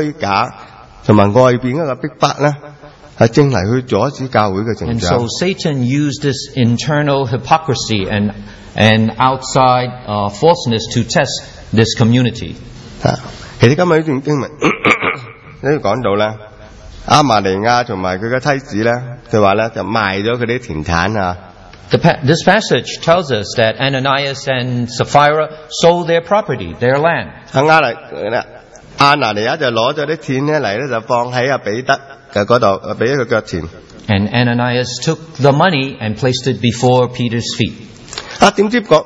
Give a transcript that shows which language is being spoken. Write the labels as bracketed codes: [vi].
[zh] 撒旦就利用教會內部的一些虛假和外面的逼迫呢, [en] And so Satan used this internal hypocrisy and outside falseness to test this community. [zh] 其實今天這段經文也講到亞瑪尼亞和他的妻子就賣了他們的田產。 [en] This passage tells us that Ananias and Sapphira sold their property, their land. [zh] 亞瑪尼亞就拿了田來放在彼得。 [en] And Ananias took the money and placed it before Peter's feet.